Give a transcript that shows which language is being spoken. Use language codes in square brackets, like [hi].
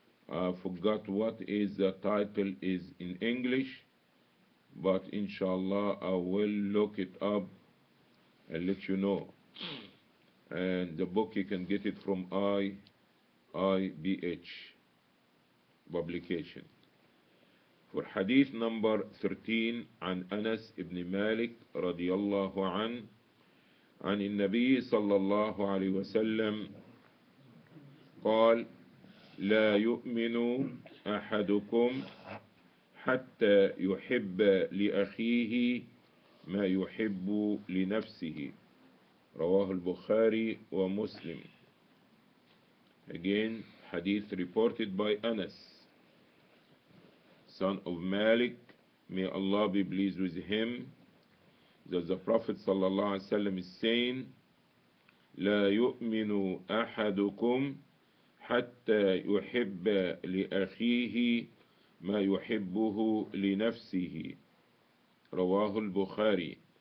[en] I forgot what is the title is in English, but inshallah I will look it up and let you know. And the book, you can get it from IIBH publication. For hadith number 13, [ar] an Anas ibn Malik radiyallahu an, عن النبي صلى الله عليه وسلم قال لا يؤمن أحدكم حتى يحب لأخيه ما يحب لنفسه رواه البخاري ومسلم. [en] Again, hadith reported by Anas, son of Malik, may Allah be pleased with him, that the Prophet sallallahu alaihi wasallam is saying, [ar] لا يؤمن أحدكم حتى يحب لأخيه ما يحبه لنفسه رواه البخاري.